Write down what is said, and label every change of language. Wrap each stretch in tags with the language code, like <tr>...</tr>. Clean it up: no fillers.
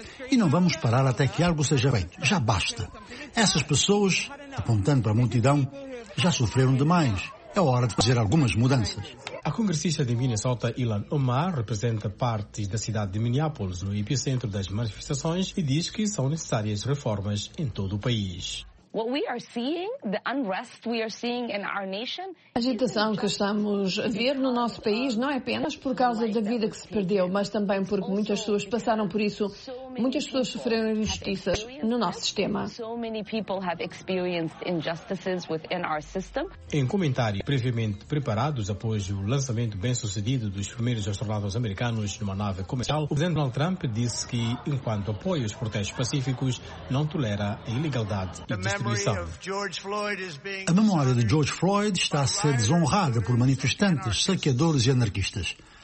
<pt>E não vamos parar até que algo seja feito. Já basta. Essas pessoas, apontando para a multidão, já sofreram demais. É hora de fazer algumas mudanças. A congressista de Minnesota, Ilhan Omar, representa partes da cidade de Minneapolis, no epicentro das manifestações, e diz que são necessárias reformas em todo o país.</pt> <en>What we are seeing, the unrest we are seeing in our nation.</en> <pt>A agitação que estamos a ver no nosso país não é apenas por causa da vida que se perdeu, mas também porque muitas pessoas passaram por isso. Muitas pessoas sofreram injustiças no nosso sistema.</pt> <en>So many people have experienced injustices within our system.</en> <pt>Em comentário previamente preparados após o lançamento bem-sucedido dos primeiros astronautas americanos numa nave comercial, o presidente Donald Trump disse que, enquanto apoia os protestos pacíficos, não tolera a ilegalidade e destruição. A memória de George Floyd está a ser desonrada por manifestantes, saqueadores e anarquistas.</pt>